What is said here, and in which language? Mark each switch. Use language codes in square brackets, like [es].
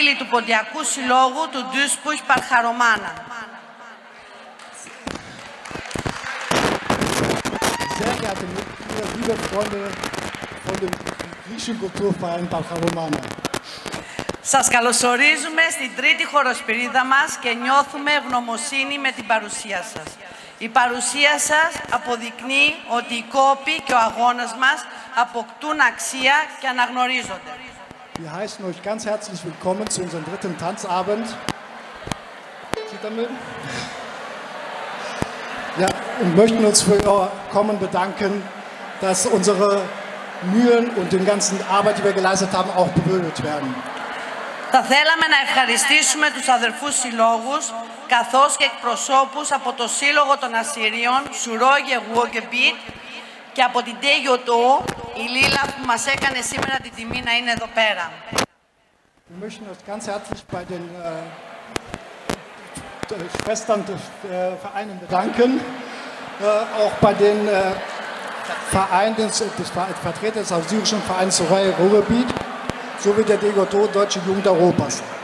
[el] Ποντιακού Συλλόγου του Ντουσπούχ Παρχαρωμάνα. [de] Sehr geehrte Mitglieder, liebe Freunde von dem griechischen Kulturverein Παρχαρωμάνα. [el] Σας καλωσορίζουμε στην τρίτη χοροσπυρίδα μας και νιώθουμε ευγνωμοσύνη με την παρουσία σας. Η παρουσία σας αποδεικνύει ότι η κόπη και ο αγώνας μας αποκτούν αξία και αναγνωρίζονται. [de] Wir heißen euch ganz herzlich willkommen zu unserem dritten Tanzabend. Ja, und möchten uns für euer Kommen bedanken, dass unsere Mühen und den ganzen Arbeit, die wir geleistet haben, auch bewürdigt werden. [el] Θα θέλαμε να ευχαριστήσουμε τους αδερφούς συλλόγους, καθώς και εκπροσώπους από το Σύλλογο των Ασσυρίων, Σουρόγε Γουόγκεμπιτ, και από την Τέγιο Τό, η Λίλα που μας έκανε σήμερα την τιμή να είναι εδώ πέρα. [de] Wir möchten uns ganz herzlich bei den Schwestern des Vereinen bedanken, auch bei den Vereinen des Vertreter des syrischen Vereins Soraya Ruhrgebiet, sowie der Tégio Tó, Deutsche Jugend Europas.